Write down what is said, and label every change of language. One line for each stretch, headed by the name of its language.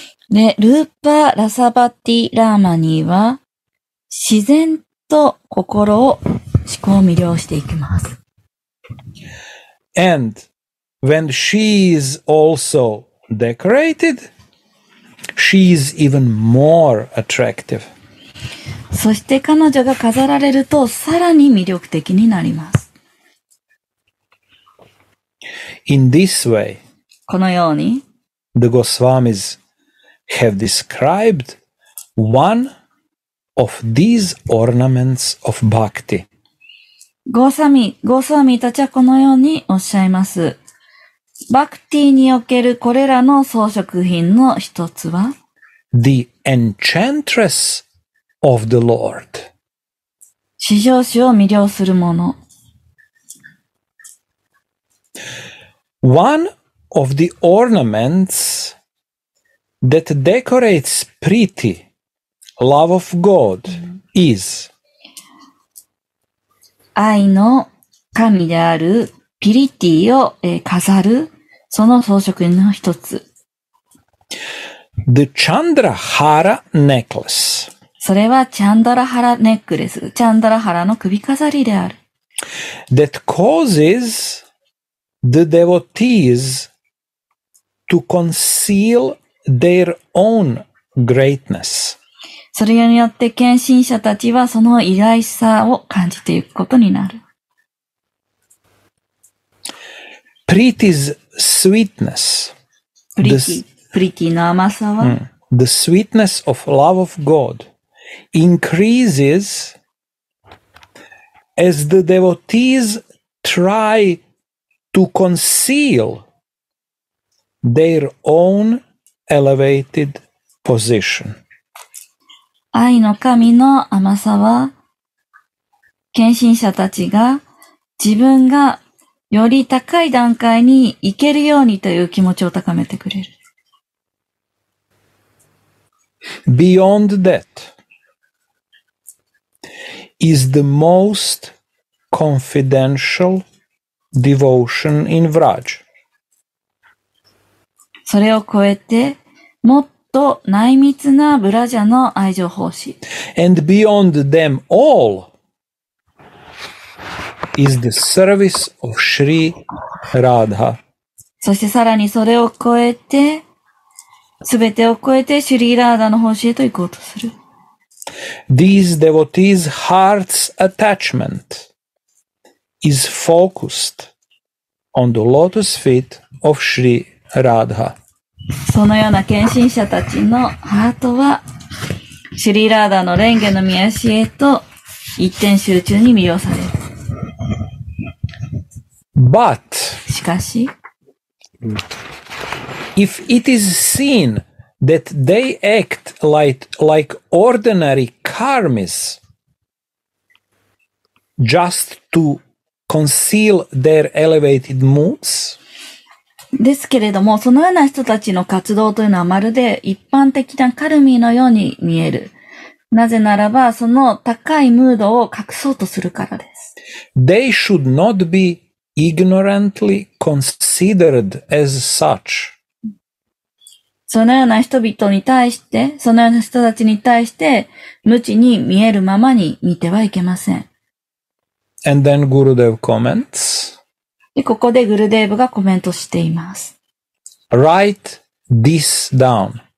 Japanese: ね、Rupa Rasavati Ramani は自然と心を思考を魅了していきます。
English: And when she is also decorated,She is even more attractive.
Japanese: そして彼女が飾られるとさらに魅力的になります。
English: In this way,
Japanese: このように、
English: the Goswamis have described one of these ornaments of bhakti.
Japanese: ゴスワミたちはこのようにおっしゃいます。バクティにおけるこれらの装飾品の一つは
English: The Enchantress of the Lord
Japanese: 至上主を魅了するもの
English: One of the ornaments that decorates Priti, love of God, is
Japanese: 愛の神であるピリティを飾るその装飾の一つ。
English: The Chandrahara necklace.
Japanese: それはチャンドラハラネックレス。チャンドラハラの首飾りである。
English: That causes the devotees to conceal their own greatness.
Japanese: それによって献身者たちはその偉大さを感じていくことになる。
English: Priti's sweetness,
Japanese: Priti の甘さは、
English: the sweetness of love of God increases as the devotees try to conceal their own elevated position.
Japanese: 愛の神の甘さは、献身者たちが自分がより高い段階に行けるようにという気持ちを高めてくれる。
English: Beyond that is the most confidential devotion in Vraj.
Japanese: それを超えて、もっと内密なブラジャの愛情奉仕。
English: And beyond them all,is the service of Shri Radha.
Japanese: そしてさらにそれを超えて、すべてを超えて、シュリーラーダの方針へと行こうとする。
English: These devotees' heart's attachment is focused on the lotus feet of Shri Radha.
Japanese: そのような献身者たちのハートは、シュリーラーダの蓮華の御足へと一点集中に魅了される。
English: But,
Japanese: しかし、
English: if it is seen that they act like ordinary karmis just to conceal their elevated moods?
Japanese: ですけれども、そのような人たちの活動というのはまるで一般的なカルミのように見える。なぜならば、その高いムードを隠そうとするからです。
English: They should not be ignorantly considered as such.
Japanese: そのような人々に対して、そのような人たちに対して、無知に見えるままに見てはいけません。
English: And then Gurudev comments.
Japanese: で、ここでグルデーブがコメントしています。
English: Write this down.